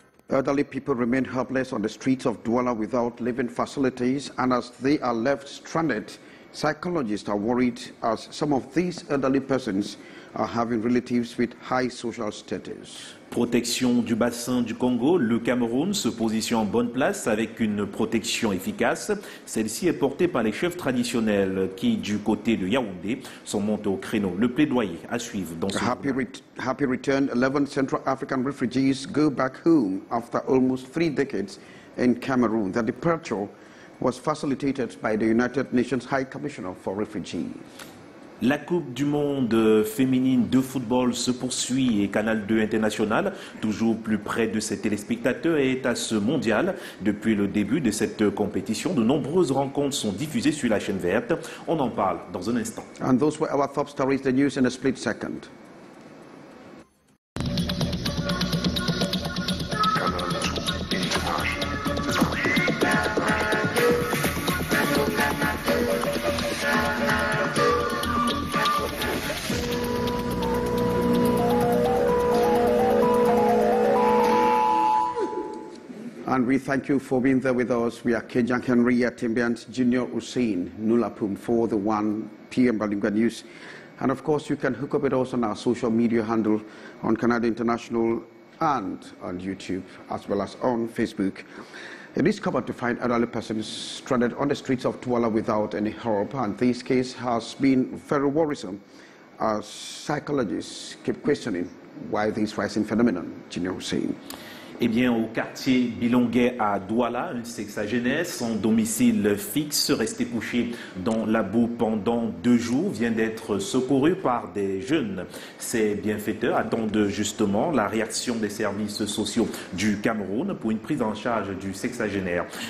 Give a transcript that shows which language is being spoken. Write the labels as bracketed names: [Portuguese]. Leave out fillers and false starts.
[English] Elderly people remain helpless on the streets of Douala without living facilities, and as they are left stranded, psychologists are worried as some of these elderly persons are having relatives with high social status. [French] Protection du bassin du Congo, le Cameroun se positionne en bonne place avec une protection efficace. Celle-ci est portée par les chefs traditionnels qui, du côté de Yaoundé, sont montés au créneau. Le plaidoyer à suivre dans ce [English] happy, happy return, 11 Central African refugees go back home after almost three decades in Cameroon. Their departure was facilitated by the United Nations High Commissioner for Refugees. [French] La Coupe du monde féminine de football se poursuit et Canal 2 International, toujours plus près de ses téléspectateurs, est à ce mondial. Depuis le début de cette compétition, de nombreuses rencontres sont diffusées sur la chaîne verte. On en parle dans un instant. [English] And those were our top stories, the news in a split second. And we thank you for being there with us. We are Kenjang Henry, Atimbians, Junior Hussein, Nulapum for the 1 p.m. Balinga News. And of course, you can hook up with us on our social media handle on Canada International and on YouTube, as well as on Facebook. It is common to find elderly persons stranded on the streets of Douala without any help. And this case has been very worrisome as psychologists keep questioning why this rising phenomenon, Junior Hussein. [French] Eh bien, au quartier Bilongue à Douala, un sexagénaire sans domicile fixe, resté couché dans la boue pendant deux jours, vient d'être secouru par des jeunes. Ces bienfaiteurs attendent justement la réaction des services sociaux du Cameroun pour une prise en charge du sexagénaire.